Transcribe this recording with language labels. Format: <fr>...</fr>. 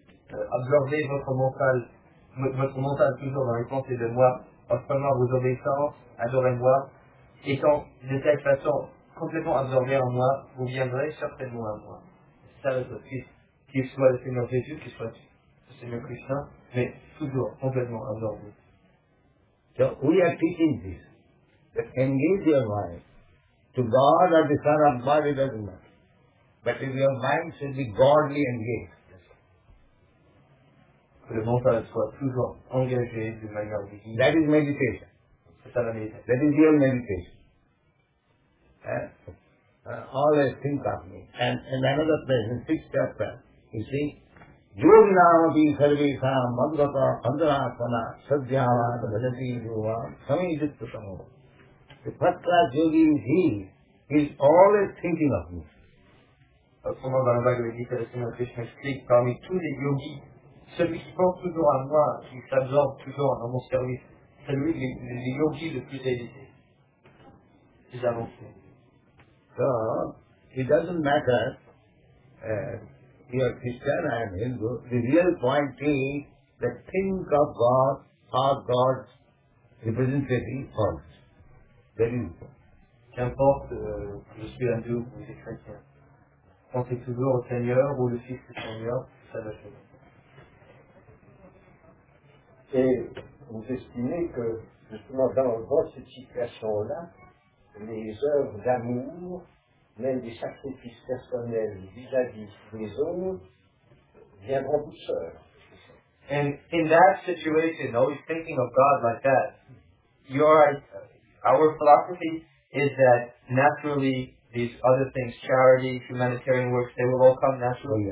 <fr>Absorbez votre mental toujours dans les pensées de moi, offrez-moi vos obéissances, adorez-moi, étant de cette façon complètement absorbé en moi, vous viendrez certainement à moi. Ça, c'est votre fils, qu'il soit le Seigneur Jésus, qu'il soit le Seigneur Krishna, mais toujours complètement absorbé.</fr> <en>So, we are teaching this, that engage your mind to God or the Son of God, it doesn't matter. But if your mind should be godly engaged,</en> <fr>que le mental soit toujours engagé de manière divine.</fr> <en>That is meditation.</en> <fr>C'est ça la méditation.</fr> <en>That is real meditation. Always think of me. And another place, in sixth chapter, you see,</en> <sa>Jurnavati Sarvesa Madhvata Pandaratvana Sadhyavata Bhajati Yuva Samijitta Samoha.</sa> <en>The first class yogi is he. He is always thinking of me.</en> <fr>Autrement dans la Bhagavad Gita, le Seigneur Krishna explique, parmi tous les yogis, celui qui pense toujours à moi, qui s'absorbe toujours dans mon service, celui des yogis le plus élevé, plus avancé.</fr> <en>So, it doesn't matter if you are Christian or Hindu, the real point is that think of God or God's representative forms. That is important.</en> <fr>Qu'importe que je suis hindou ou que je suis chrétien, pensez toujours au Seigneur ou le Fils du Seigneur, ça va changer. Et vous estimez que, justement, dans cette situation-là, les œuvres d'amour, même des sacrifices personnels vis-à-vis des autres, viendront douceur.</fr> <en>And in that situation, always thinking of God like that, our philosophy is that naturally these other things, charity, humanitarian works, they will all come naturally.</en>